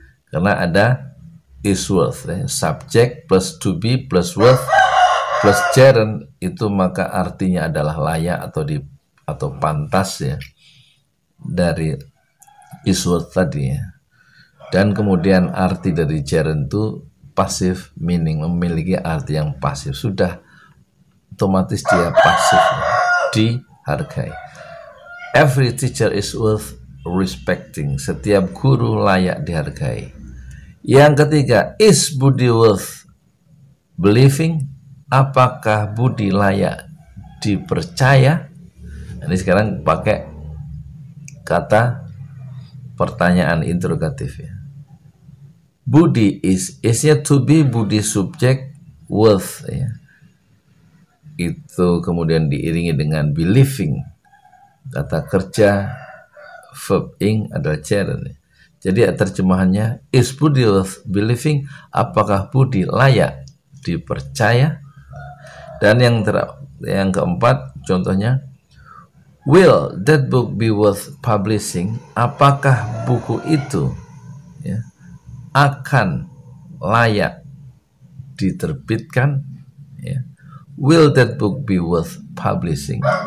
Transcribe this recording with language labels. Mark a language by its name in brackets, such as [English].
[Indonesian] Karena ada is worth, subject plus to be plus worth plus gentleman, itu maka artinya adalah layak atau di atau pantas ya, dari is worth tadi ya. Dan kemudian arti dari gentleman itu pasif, meaning memiliki arti yang pasif, sudah otomatis dia pasif ya. Dihargai. [English] Every teacher is worth respecting. [Indonesian] Setiap guru layak dihargai. Yang ketiga, [English] is Budi worth believing? [Indonesian] Apakah Budi layak dipercaya? Ini sekarang pakai kata pertanyaan interrogatif ya. Budi is, isnya to be Budi subject worth ya. Itu kemudian diiringi dengan believing, kata kerja verb ing adalah gerund. Jadi terjemahannya, [English] is Budi worth believing? [Indonesian] Apakah Budi layak dipercaya? Dan yang keempat contohnya, [English] will that book be worth publishing? [Indonesian] Apakah buku itu ya, akan layak diterbitkan ya? [English] Will that book be worth publishing?